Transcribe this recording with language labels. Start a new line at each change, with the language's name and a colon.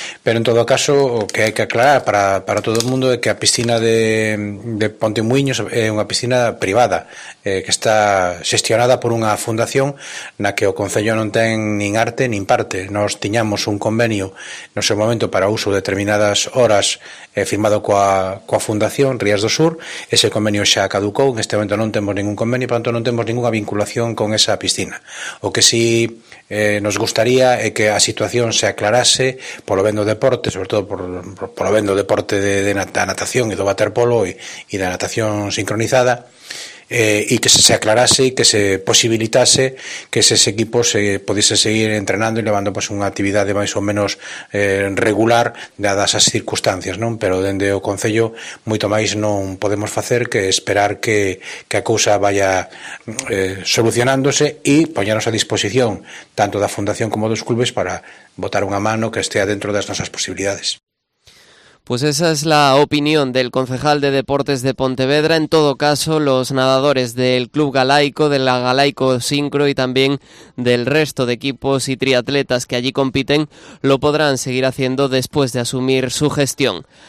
Spanish: Pero en todo caso, o que hay que aclarar para todo el mundo, es que la piscina de Pontemuíños es una piscina privada, que está gestionada por una fundación
Galician: na que o concello non ten nin arte nin parte. Nos tiñamos un convenio no seu momento para uso de determinadas horas firmado coa fundación Rías do Sur. Ese convenio xa caducou, en este momento non temos ningún convenio, por tanto non temos ninguna vinculación con esa piscina. O que si nos gustaría é que a situación se aclarase polo ben do deporte, sobre todo polo ben do deporte de natación e do waterpolo e da natación sincronizada, e que se aclarase e que se posibilitase que eses equipos se pudiese seguir entrenando e levando pues, unha actividade máis ou menos regular dadas as circunstancias, non? Pero dende o concello moito máis non podemos facer que esperar que a cousa vaya solucionándose e poñernos a disposición tanto da fundación como dos clubes para botar unha mano que estea dentro das nosas posibilidades.
Spanish: Pues esa es la opinión del concejal de Deportes de Pontevedra. En todo caso, los nadadores del Club Galaico, de la Galaico Sincro y también del resto de equipos y triatletas que allí compiten, lo podrán seguir haciendo después de asumir su gestión.